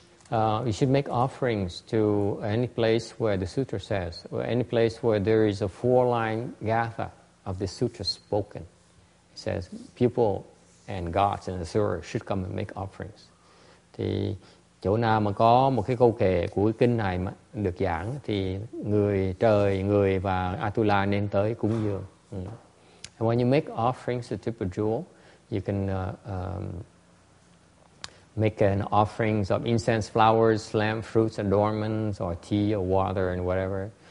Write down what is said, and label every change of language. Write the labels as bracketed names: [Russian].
[English] You should make offerings to any place where the sutra says, or any place where there is a four-line gatha of the sutra spoken. It says, people and gods and asuras should come and make offerings. [Vietnamese] Thì chỗ nào mà có một cái câu kệ của cái kinh này mà được giảng, thì người trời, người và Atula nên tới cúng dường. [English] And when you make offerings to the triple jewel, you can make an offerings of incense, flowers, lamp, fruits, adornments, or tea, or water, and whatever.